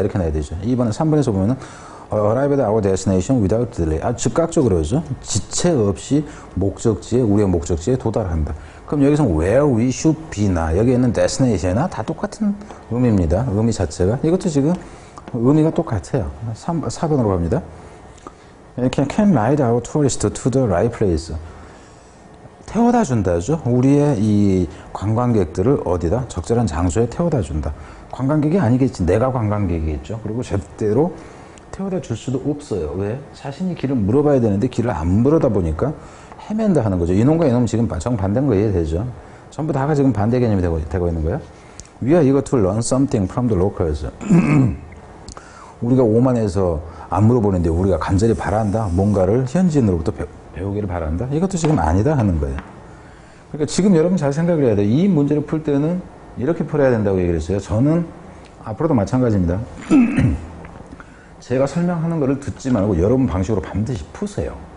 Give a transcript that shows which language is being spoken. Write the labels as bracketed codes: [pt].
[ko] 이렇게 놔야 되죠. 2번에, 3번에서 보면은 [en] arrive at our destination without delay. [ko] 아주 즉각적으로죠. 지체 없이 목적지에, 우리의 목적지에 도달한다. 그럼 여기서는 [en] where we should be [ko] 나, 여기 있는 destination이나 다 똑같은 의미입니다. 의미 자체가. 이것도 지금 의미가 똑같아요. 4번으로 갑니다. [en] Can ride our tourist to the right place. [ko] 태워다 준다죠. 우리의 이 관광객들을 어디다? 적절한 장소에 태워다 준다. 관광객이 아니겠지. 내가 관광객이겠죠. 그리고 절대로 태워다 줄 수도 없어요. 왜? 자신이 길을 물어봐야 되는데 길을 안 물어다 보니까 헤맨다 하는 거죠. 이놈과 이놈 지금 정반대인 거 이해되죠? 전부 다가 지금 반대 개념이 되고 있는 거야. [en] We are eager to learn something from the locals. [ko] 우리가 오만에서 안 물어보는데 우리가 간절히 바란다. 뭔가를 현지인으로부터 배우기를 바란다. 이것도 지금 아니다 하는 거예요. 그러니까 지금 여러분 잘 생각을 해야 돼요. 이 문제를 풀 때는 이렇게 풀어야 된다고 얘기를 했어요. 저는 앞으로도 마찬가지입니다. 제가 설명하는 것을 듣지 말고 여러분 방식으로 반드시 푸세요.